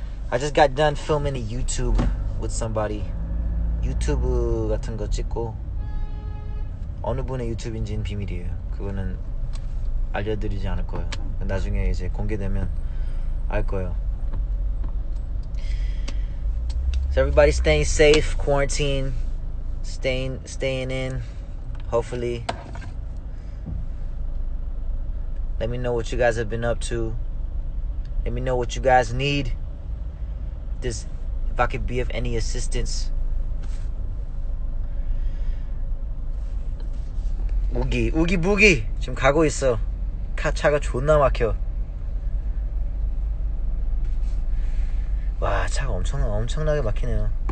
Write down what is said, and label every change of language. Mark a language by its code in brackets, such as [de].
[en] I just got done filming a YouTube with somebody. [ko] YouTube 같은 거 찍고. 어느 분의 유튜브인지는 비밀이에요. 그거는 알려드리지 않을 거예요. 나중에 이제 공개되면 알 거예요. [en] So everybody staying safe, quarantine, staying in, hopefully. Let me know what you guys have been up to. Let me know what you guys need. This, if I could be of any assistance. [ko] 우기, 우기 부기 지금 가고 있어. 차가 존나 막혀. 와, 차가 엄청나게 막히네요.